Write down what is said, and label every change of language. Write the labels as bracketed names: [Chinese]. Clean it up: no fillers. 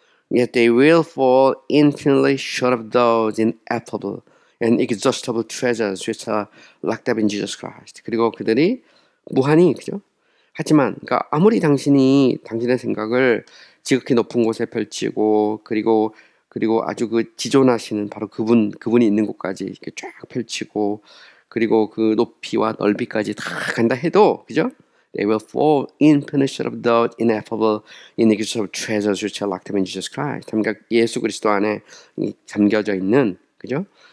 [English] Yet they will fall infinitely short of those ineffable and exhaustible treasures which are locked up in Jesus Christ. [Korean] 그리고 그들이 무한히 그죠? 하지만 그러니까 아무리 당신이 당신의 생각을 지극히 높은 곳에 펼치고 그리고 아주 그 지존하시는 바로 그분이 있는 곳까지 이렇게 쫙 펼치고 그리고 그 높이와 넓이까지 다 간다 해도 그죠? [English] They will fall infinite short of the ineffable inexhaustible treasures which are locked up in Jesus Christ. [Korean] 그러니까 예수 그리스도 안에 잠겨져 있는 그죠?